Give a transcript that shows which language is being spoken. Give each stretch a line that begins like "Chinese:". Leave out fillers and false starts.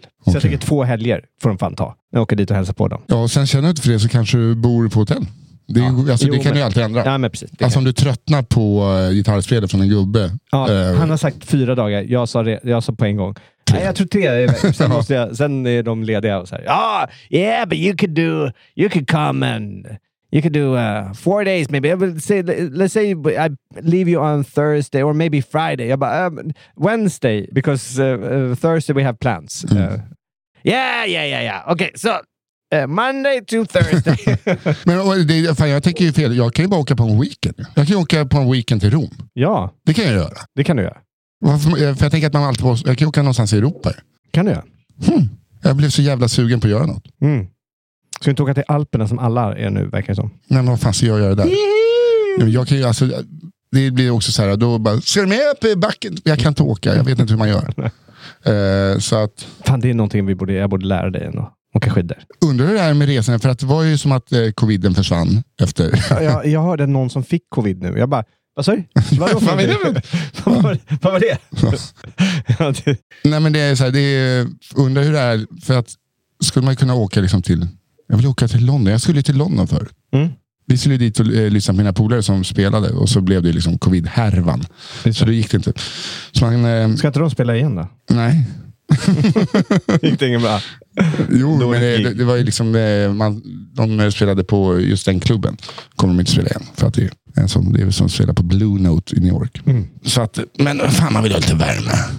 Swedish: Så okay. Jag tycker 2 helger får de fan ta. När jag åker dit och hälsar på dem. Ja, och sen känner du inte för det så kanske du bor på hotell. Det, är, ja. Alltså, jo, det kan ju alltid ändra. Ja, men precis, alltså kan. Om du tröttnar på gitarrspelet från en gubbe. Ja, han har sagt 4 dagar. Jag sa på en gång. Nej, jag tror 3. Sen är de lediga och så här.
English: Oh, yeah, but you could do 4 days maybe. I will say, let's say I leave you on Thursday or maybe Friday. About Wednesday because Thursday we have plans. Yeah. Okay, so Monday to Thursday.
Swedish: Men fan, jag tänker ju fel. Jag kan ju bara åka på en weekend. Jag kan ju åka på en weekend till Rom. Ja. Det kan jag göra. Det kan du göra. För jag tänker att man alltid måste... Jag kan ju åka någonstans i Europa. Kan du göra. Jag blev så jävla sugen på att göra något. Mm. Ska du inte åka till Alperna som alla är nu, verkar det som? Nej, men vad fan ska jag göra där? Nej, jag kan ju alltså... Det blir också så här, då bara... Ser du med upp i backen? Jag kan inte åka. Jag vet inte hur man gör. så att... Fan, det är någonting jag borde lära dig ändå. Åka skidor. Undrar du det här med resan? För att det var ju som att coviden försvann efter... jag hörde någon som fick covid nu. Jag bara... Vad sa du? Vad var det? Vad var det? Nej, men det är så här... undrar hur det är... För att... Skulle man kunna åka liksom till... Jag vill åka till London. Jag skulle till London förr. Mm. Vi skulle dit och lyssna på mina polare som spelade. Och så blev det liksom covid-härvan. Så det gick det inte. Så man, ska inte de spela igen då? Nej. Gick det ingen bra? Jo, men det var ju liksom... De spelade på just den klubben. Kommer de inte spela igen. För att det är en sån... Det är som spelar på Blue Note i New York. Mm. Så att... Men fan, man vill ha lite värme.